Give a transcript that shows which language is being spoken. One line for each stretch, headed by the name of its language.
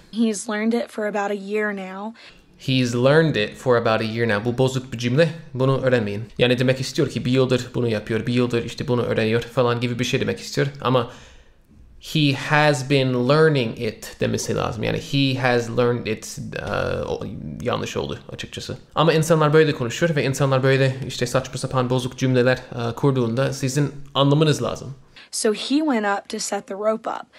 English: He's learned it for about a year now. He's learned it for about a year now.
Turkish: Bu bozuk bir cümle. Bunu öğrenmeyin. Yani demek istiyor ki bir yıldır bunu yapıyor, bir yıldır işte bunu öğreniyor falan gibi bir şey demek istiyor. Ama
English: he has been learning it
Turkish: demesi lazım. Yani
English: he has learned it
Turkish: yanlış oldu açıkçası. Ama insanlar böyle konuşuyor ve insanlar böyle işte saçma sapan bozuk cümleler kurduğunda sizin anlamanız lazım.
English: So he went up to set the rope up.